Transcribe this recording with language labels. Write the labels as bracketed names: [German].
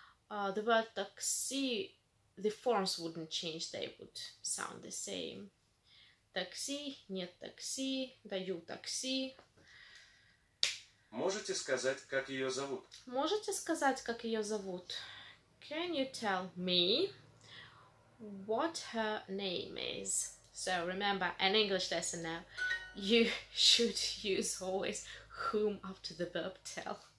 [English] The word такси, the forms wouldn't change, they would sound the same. [Russian] Такси, нет такси, даю такси. Можете сказать, как ее зовут? Можете сказать, как ее зовут? [English] Can you tell me what her name is? So remember, an English lesson now, you should use always whom after the verb tell.